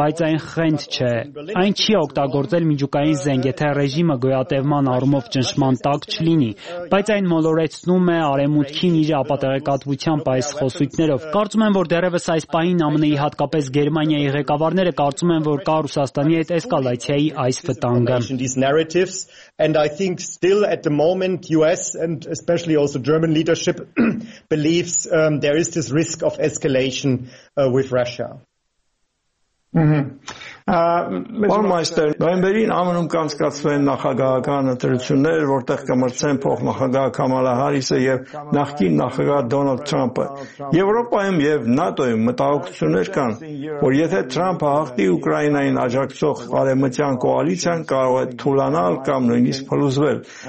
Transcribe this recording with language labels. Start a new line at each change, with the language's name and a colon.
Armenian: բայց այն խենթ չէ։ Այն չի օգտագործել միջուկային զենգեթե ռեժիմը գոյատևման առումով ճնշման տակ չլինի, բայց այն մոլորեցնում է արեմուտքին իր ապատեղեկատվությամբ այս խոսույթներով։ Կարծում եմ, որ դեռևս այս պահին ԱՄՆ-ի հատկապես Գերմանիայի ղեկավարները կարծում են, որ կա Ռուսաստանի հետ էսկալացիայի այս վտանգը։
English: And I think still at the moment US and especially also German leadership believes there is this risk of escalation with Russia.
Armenian: Բարմայստեր, նոյեմբերին ԱՄՆ-ում կանցկացվեն նախագահական ընտրություններ, որտեղ կմրցեն փոխնախագահ Կամալա Հարիսը եւ նախկին նախագահ Դոնալդ Թրամփը։ Եվրոպայում եւ ՆԱՏՕ-ում մտահոգություններ կան, որ եթե Թրամփը հաղթի Ուկրաինային աջակցող արևմտյան կոալիցիան, կարող է թուլանալ կամ նույնիսկ փլուզվել։